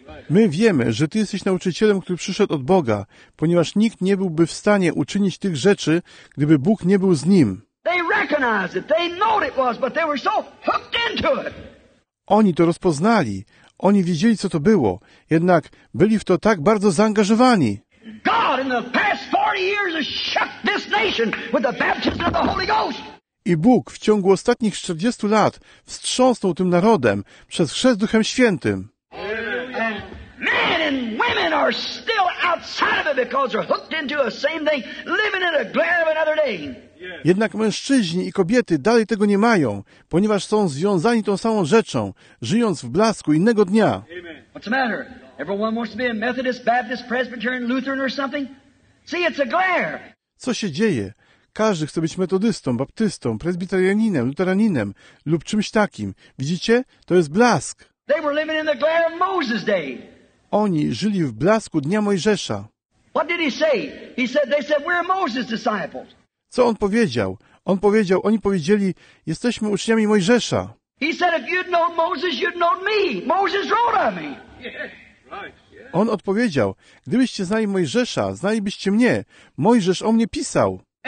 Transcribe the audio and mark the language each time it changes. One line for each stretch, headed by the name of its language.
Polish: My wiemy, że ty jesteś nauczycielem, który przyszedł od Boga, ponieważ nikt nie byłby w stanie uczynić tych rzeczy, gdyby Bóg nie był z nim.
English: They recognized it. They knew it was, but they were so hooked into it.
Polish: Oni to rozpoznali. Oni wiedzieli, co to było. Jednak byli w to tak bardzo zaangażowani.
English: God in the past 40 years has shook this nation with the baptism of the Holy Ghost.
Polish: I Bóg w ciągu ostatnich 40 lat wstrząsnął tym narodem przez chrzest Duchem Świętym.
English: And men and women are still outside of it because they're hooked into the same thing, living in a glare of another day.
Polish: Jednak mężczyźni i kobiety dalej tego nie mają, ponieważ są związani tą samą rzeczą, żyjąc w blasku innego dnia.
English: What's the matter? Everyone wants to be a Methodist, Baptist, Presbyterian, Lutheran or something? See, it's a glare.
Polish: Co się dzieje? Każdy chce być metodystą, baptystą, presbiterianinem, luteraninem lub czymś takim. Widzicie? To jest blask.
English: They were living in the glare of Moses' day.
Polish: Oni żyli w blasku dnia Mojżesza.
English: What did he say? He said, they said, we're Moses' disciples.
Polish: Co on powiedział? On powiedział, oni powiedzieli, jesteśmy uczniami Mojżesza.
English: He said, if you'd known Moses, you'd known me. Moses wrote on me. Yeah, right.
Polish: On odpowiedział, gdybyście znali Mojżesza, znalibyście mnie. Mojżesz o mnie pisał.